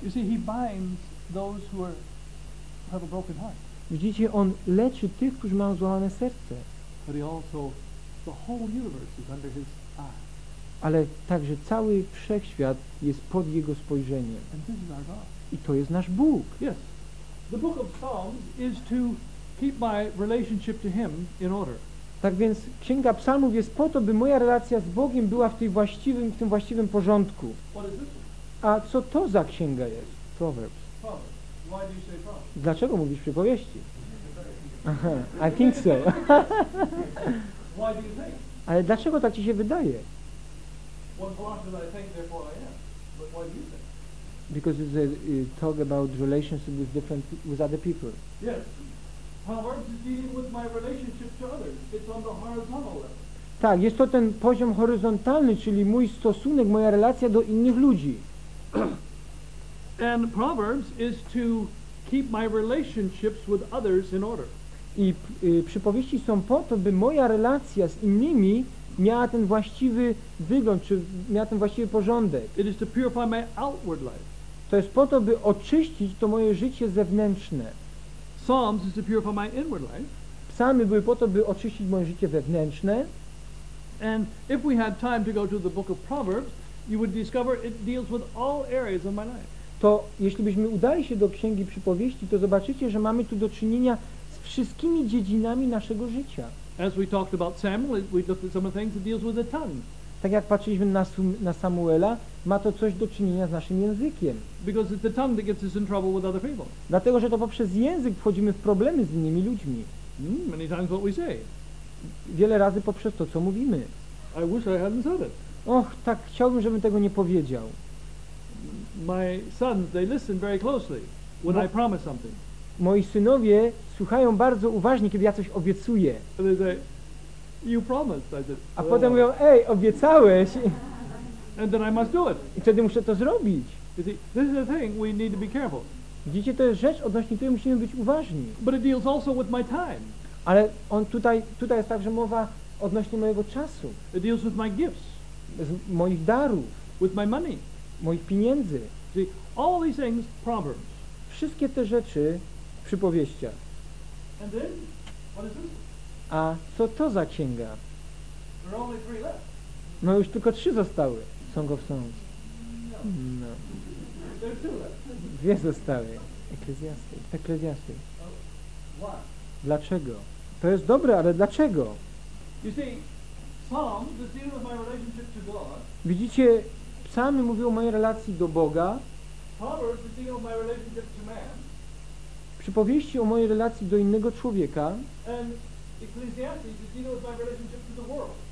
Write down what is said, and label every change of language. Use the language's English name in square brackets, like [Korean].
[English] You see, he binds those who have a broken heart. [Polish] Widzicie, on leczy tych, którzy mają złamane serce. [English] But he also, the whole universe is under his eye. [Polish] Ale także cały wszechświat jest pod jego spojrzeniem. [English] And this is our God. [Polish] I to jest nasz Bóg. [English] Yes. The book of Psalms is to keep my relationship to him in order. [Polish] Tak więc Księga Psalmów jest po to, by moja relacja z Bogiem była w tym właściwym porządku. [English] What is this? [Polish] A co to za księga jest? Proverbs. [English] Proverbs. Why do you say Proverbs? [Polish] Dlaczego mówisz przypowieści? [English] Aha, I think so. Why do you think? [Polish] Ale dlaczego tak ci się wydaje? [English] One philosopher that I think, therefore I am. But why do you think? Because it's a talk about relationship with other people. Yes. Proverbs is dealing with my relationship to others. It's on the horizontal level. [Polish] Tak, jest to ten poziom horyzontalny, czyli mój stosunek, moja relacja do innych ludzi. [English] And Proverbs is to keep my relationships with others in order. [Polish] I przypowieści są po to, by moja relacja z innymi miała ten właściwy wygląd, czy miała ten właściwy porządek. [English] It is to purify my outward life. [Polish] To jest po to, by oczyścić to moje życie zewnętrzne. [English] Psalms is to purify my inward life. [Polish] Psalmy były po to, by oczyścić moje życie wewnętrzne. [English] And if we had time to go to the book of Proverbs, you would discover it deals with all areas of my life. [Polish] To jeśli byśmy udali się do Księgi Przypowieści, to zobaczycie, że mamy tu do czynienia wszystkimi dziedzinami naszego życia. [English] As we talked about Samuel, we looked at some of the things that deals with the tongue. [Polish] Tak jak patrzyliśmy na Samuela, ma to coś do czynienia z naszym językiem. [English] Because it's the tongue that gets us in trouble with other people. [Polish] Dlatego, że to poprzez język wchodzimy w problemy z innymi ludźmi. [English] Many times what we say. [Polish] Wiele razy poprzez to, co mówimy. [English] I wish I hadn't said it. [Polish] Och, tak chciałbym, żebym tego nie powiedział. [English] My sons, they listen very closely when I promise something. [Polish] Moi synowie słuchają bardzo uważnie, kiedy ja coś obiecuję. [English] They say, you promised. I said, [Polish] a potem mówią, ej, obiecałeś. [English] And then I must do it. [Polish] I wtedy muszę to zrobić. [English] You see, this is the thing we need to be careful. [Polish] Widzicie, to jest rzecz, odnośnie której musimy być uważni. [English] But it deals also with my time. [Polish] Ale on tutaj jest także mowa odnośnie mojego czasu. [English] It deals with my gifts. [Polish] Z moich darów. [English] With my money. [Polish] Moich pieniędzy. [English] See, all these things, proverbs. [Polish] Wszystkie te rzeczy, przypowieścia. [English] And then, what is this? [Polish] A co to za księga? [English] There are only three left. [Polish] No już tylko trzy zostały. [English] Song of Songs. No. There's two left. [Polish] Dwie zostały. Ekklesiasty. [English] Why? [Polish] Dlaczego? To jest dobre, ale dlaczego? [English] You see, Psalms that deal with my relationship to God. [Polish] Widzicie, psalmy mówią o mojej relacji do Boga. [English] Proverbs that deal with my relationship to man. [Polish] Przypowieści o mojej relacji do innego człowieka. [English] And Ecclesiastes that deal with my relationship to the world.